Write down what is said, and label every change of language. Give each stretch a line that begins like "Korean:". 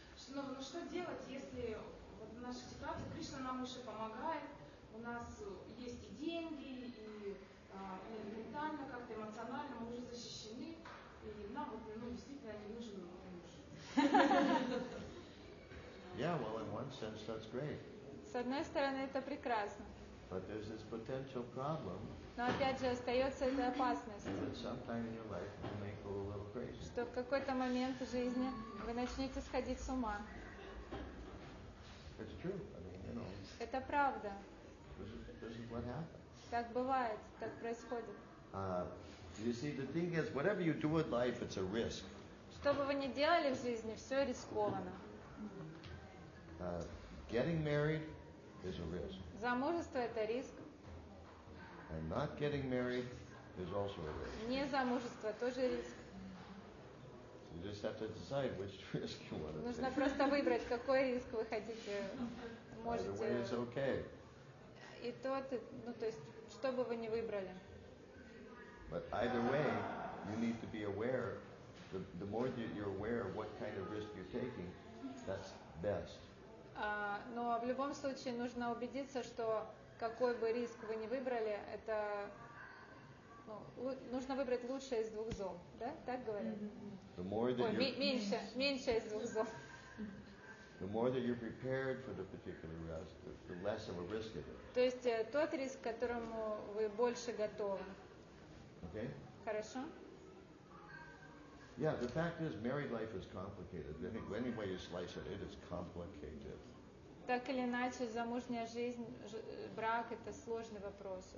Russian: Ну что делать, если вот в нашей ситуации Кришна нам еще помогает, у нас есть и деньги, и ментально, как-то эмоционально мы уже защищены, и нам вот, ну, действительно не нужен.
English: Yeah, well, in one sense, that's great.
Russian: С одной стороны, это прекрасно.
English: But there's this potential problem.
Russian: Но опять же остается эта опасность.
English: That sometime in your life you may go a little crazy.
Russian: Что в какой-то момент жизни вы начнете сходить с ума.
English: It's true. I mean, you know.
Russian: Это правда.
English: This is what happens.
Russian: Так бывает, так происходит.
English: You see, the thing is, whatever you do in life, it's a risk.
Russian: Что бы вы ни делали в жизни, все рискованно.
English: Getting married is a risk.
Russian: Замужество – это риск.
English: And not getting married is also a risk.
Russian: Не замужество – тоже риск.
English: You just have to decide which risk you want to take.
Russian: Нужно просто выбрать, какой риск вы хотите. Можете.
English: It's okay.
Russian: И тот, ну то есть, что бы вы ни выбрали.
English: But either way, you need to be aware. The more you're aware of what kind of risk you're taking, that's best.
Russian: Но в любом случае нужно убедиться, что какой бы риск вы ни выбрали, это нужно выбрать лучшее из двух зол, да? Так говорят.
English: The more that
Russian: меньше из двух зол.
English: The more that you're prepared for the particular risk, the less of a risk it is.
Russian: То есть тот риск, к которому вы больше готовы.
English: Okay.
Russian: Хорошо.
English: Yeah, the fact is, married life is complicated. Any way you slice it, it is complicated.
Russian: Так или иначе, замужняя жизнь, брак — это сложный вопрос.